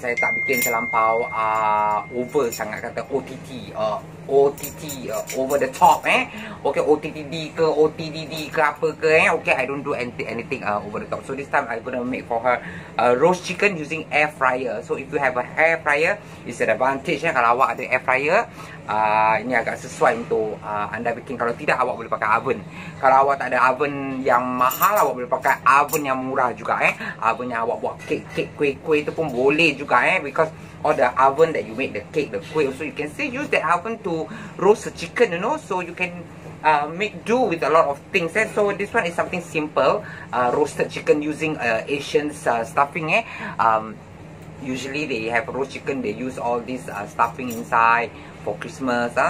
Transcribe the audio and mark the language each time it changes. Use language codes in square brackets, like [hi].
[ms] Saya tak bikin terlampau over sangat, kata OTT, [en] over the top [ms] eh. Okay, OTTD ke OTDD ke apa ke eh. [en] Okay, I don't do anything over the top. So this time I'm gonna make for her roast chicken using air fryer. So if you have a air fryer, it's an advantage eh. [ms] Kalau awak ada air fryer, ini agak sesuai untuk anda bikin. Kalau tidak, awak boleh pakai oven. Kalau awak tak ada oven yang mahal, awak boleh pakai oven yang murah juga eh. Oven yang awak buat kek-kek, kuih-kuih tu pun boleh juga eh. [en] Because or the oven that you make the cake, the kuih. So you can still use that oven to roast the chicken, you know. So you can make do with a lot of things eh. So this one is something simple, roasted chicken using Asian stuffing eh. Usually they have roast chicken, they use all this stuffing inside for Christmas ah.